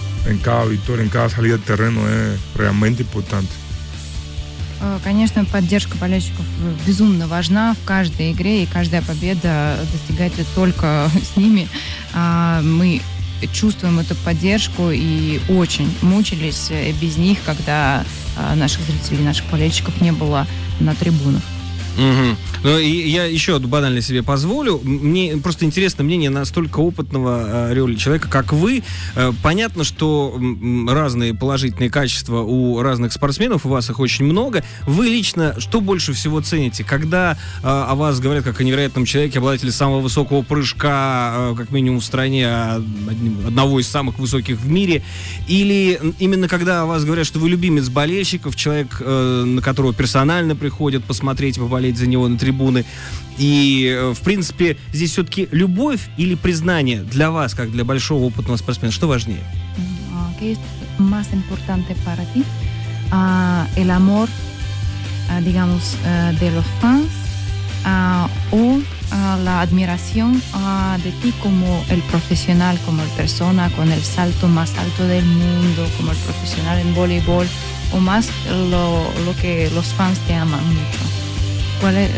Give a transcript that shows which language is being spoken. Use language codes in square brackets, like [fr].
[es] En cada victoria, en cada salida del terreno es realmente importante. [ru] Конечно, поддержка болельщиков безумно важна в каждой игре, и каждая победа достигается только с ними. Мы чувствуем эту поддержку и очень мучились без них, когда наших зрителей, наших болельщиков не было на трибунах. Угу. Ну и я еще одну банальность себе позволю. Мне просто интересно мнение настолько опытного Рёли человека, как вы. Понятно, что разные положительные качества у разных спортсменов, у вас их очень много. Вы лично что больше всего цените? Когда о вас говорят как о невероятном человеке, обладателе самого высокого прыжка, как минимум в стране, одного из самых высоких в мире? Или именно когда о вас говорят, что вы любимец болельщиков, человек, на которого персонально приходят посмотреть, поболеть за него на трибуны. И, в принципе, здесь все-таки любовь или признание для вас, как для большого опытного спортсмена, что важнее? [es] ¿Qué es más importante para ti? El amor, digamos, de los fans o la admiración de ti como el profesional, como el persona con el salto más alto del mundo, como el profesional en voleibol, o más lo que los fans te aman mucho.